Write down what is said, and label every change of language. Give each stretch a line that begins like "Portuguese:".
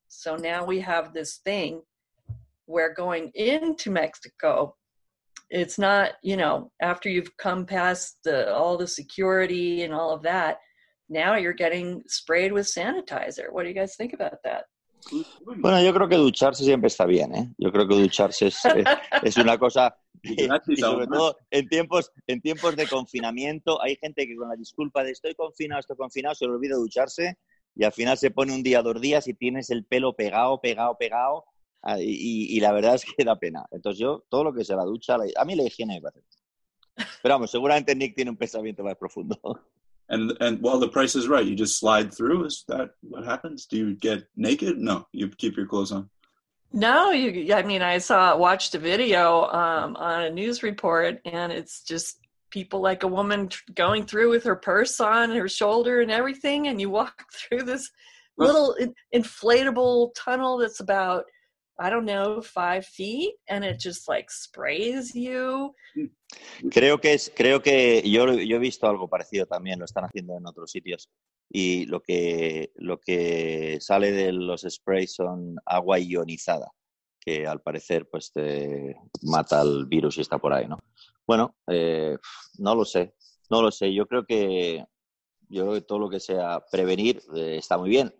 English: So now we have this thing where going into Mexico, it's not, you know, after you've come past all the security and all of that, now you're getting sprayed with sanitizer. What do you guys think about that?
Spanish: Bueno, yo creo que ducharse siempre está bien, ¿eh? Yo creo que ducharse es una cosa. Y sobre todo en tiempos de confinamiento, hay gente que con la disculpa de estoy confinado, se le olvida ducharse y al final se pone un día, dos días y tienes el pelo pegado y la verdad es que da pena. Entonces yo, todo lo que sea la ducha, a mí la higiene me parece. Pero vamos, seguramente Nick tiene un pensamiento más profundo.
English: And well, the price is right. You just slide through. Is that what happens? Do you get naked? No, you keep your clothes on. No, I watched a video on a news report, and it's just people like a woman going through with her purse on her shoulder and everything, and you walk through this little inflatable tunnel that's about, I don't know, 5 feet, and it just like sprays you.
Spanish: Creo que yo he visto algo parecido también. Lo están haciendo en otros sitios. Y lo que sale de los sprays son agua ionizada, que al parecer pues te mata el virus y está por ahí, ¿no? Bueno, no lo sé. Yo creo que todo lo que sea prevenir está muy bien.